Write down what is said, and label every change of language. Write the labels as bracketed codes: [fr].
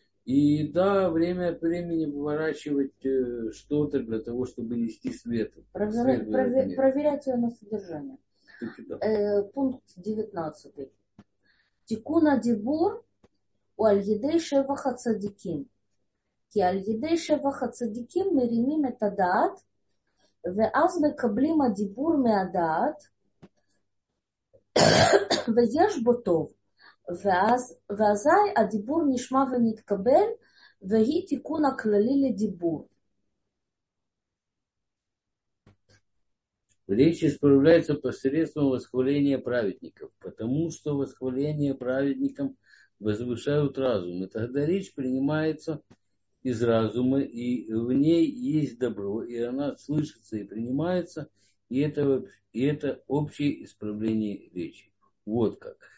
[ru] И да, время от времени выворачивать что-то для того, чтобы нести свет. Проверять ее на содержание. Пункт 19. [he] Тикуна дибур у альгидейше вахацадиким. Ки альгидейше вахацадиким миримим это даат, ואז מקבלים הדיבור מהדעת, ויש בו טוב. ואזי הדיבור נשמע ומתקבל, והיא תיקון הכללי לדיבור. [ru] Речь исправляется посредством восхваления праведников, потому что восхваление праведникам возвышают разум, и тогда речь принимается из разума, и в ней есть добро, и она слышится и принимается, и это общее исправление речи. Вот как.